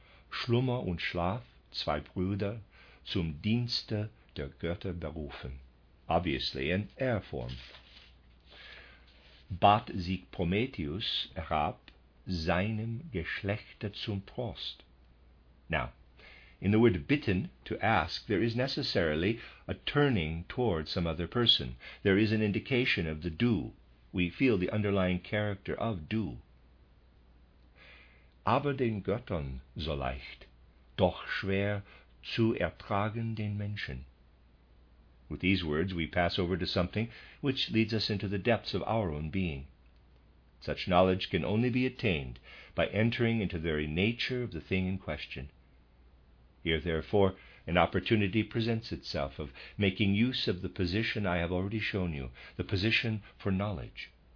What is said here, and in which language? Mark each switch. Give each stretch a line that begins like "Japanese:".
German: Schlummer und Schlaf, zwei Brüder, zum Dienste der Götter berufen.
English: Obviously, an er form.
German: Bat sich Prometheus herab, seinem Geschlechte zum Trost.
English: Now, in the word bitten, to ask, there is necessarily a turning toward some other person. There is an indication of the do. We feel the underlying character of du.
German: Aber den Göttern so leicht, doch schwer zu ertragen den Menschen.
English: With these words, we pass over to something which leads us into the depths of our own being. Such knowledge can only be attained by entering into the very nature of the thing in question. Here, therefore, an opportunity presents itself of making use of the position I have already shown you, the position for knowledge.